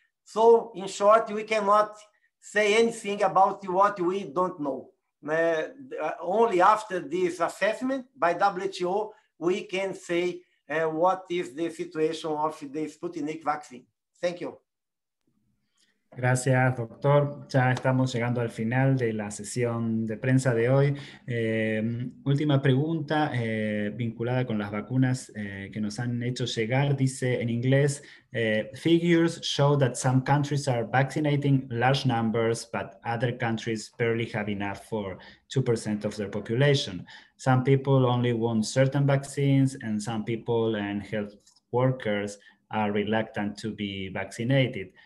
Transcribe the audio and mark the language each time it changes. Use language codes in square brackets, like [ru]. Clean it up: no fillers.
[en] So in short, we cannot say anything about what we don't know. Only after this assessment by WHO, we can say what is the situation of the Sputnik vaccine. Thank you. [es] Gracias, doctor. Ya estamos llegando al final de la sesión de prensa de hoy. Última pregunta vinculada con las vacunas que nos han hecho llegar. Dice en inglés, [en] figures show that some countries are vaccinating large numbers, but other countries barely have enough for 2% of their population. Some people only want certain vaccines, and some people and health workers are reluctant to be vaccinated.